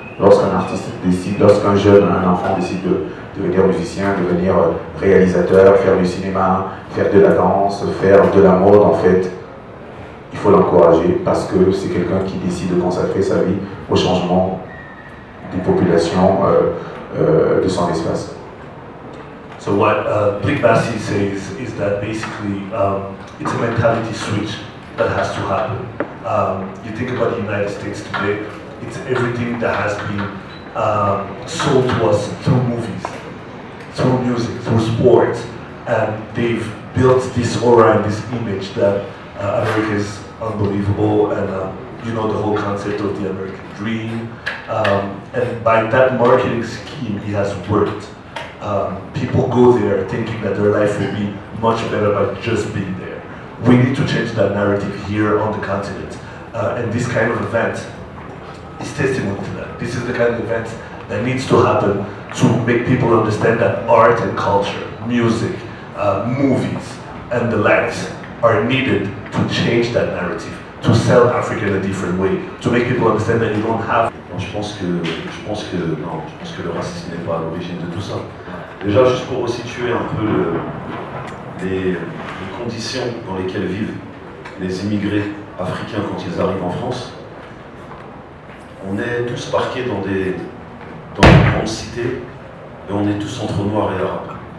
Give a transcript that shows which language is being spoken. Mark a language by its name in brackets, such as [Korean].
[French] lorsqu'un artiste décide, lorsqu'un jeune, un enfant décide de devenir musicien, devenir réalisateur, faire du cinéma, faire de la danse, faire de la mode, en fait, il faut l'encourager parce que c'est quelqu'un qui décide de consacrer sa vie au changement des populations de son espace. [English] So what Blik Basi says is that basically it's a mentality switch that has to happen. You think about the United States today, it's everything that has been sold to us through movies, through music, through sports, and they've built this aura and this image that America is unbelievable, and you know the whole concept of the American dream. And by that marketing scheme, it has worked. People go there thinking that their life will be much better by just being there. We need to change that narrative here on the continent. And this kind of event is testimony to that. This is the kind of event that needs to happen to make people understand that art and culture, music, movies, and the likes are needed to change that narrative, to sell Africa in a different way, to make people understand that you don't have. [French] Je pense que le racisme n'est pas à l'origine de tout ça. Déjà, juste pour resituer un peu les conditions dans lesquelles vivent les immigrés africains quand ils arrivent en France, on est tous parqués dans des grandes cités et on est tous entre noirs et arabes.